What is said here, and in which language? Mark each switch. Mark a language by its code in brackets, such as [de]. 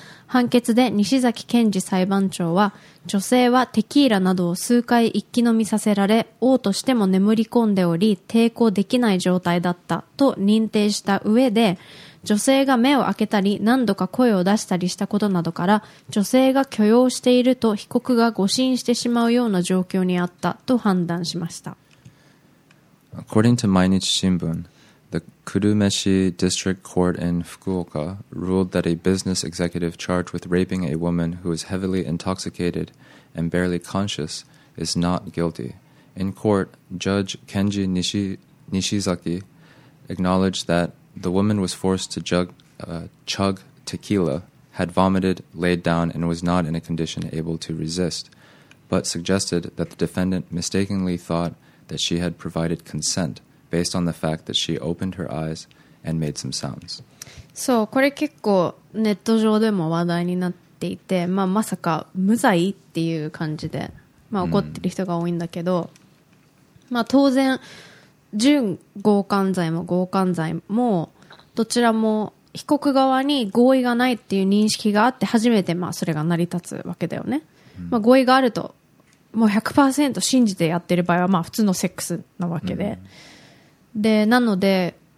[ja] 判決で西崎健二裁判長は、女性はテキーラなどを数回一気飲みさせられ、王としても眠り込んでおり抵抗できない状態だったと認定した上で、女性が目を開けたり何度か声を出したりしたことなどから、女性が許容していると被告が誤信してしまうような状況にあったと判断しました。 [en] According to 毎日新聞、The 久留米市 District Court in Fukuoka ruled that a business executive charged with raping a woman who is heavily intoxicated and barely conscious is not guilty. In court, Judge Kenji Nishizaki acknowledged that the woman was forced to chug tequila, had vomited, laid down, and was not in a condition able to resist, but suggested that the defendant mistakenly thought that she had provided consent. Based on the fact that she opened her eyes and made some sounds. [ja] そう、これ結構ネット上でも話題になっていて、まあ、まさか無罪っていう感じで、まあ、怒ってる人が多いんだけど、まあ、当然準強姦罪も強姦罪もどちらも被告側に合意がないっていう認識があって初めて、まあ、それが成り立つわけだよね、まあ、合意があるともう 100% 信じてやってる場合は、まあ、普通のセックスなわけで、でなので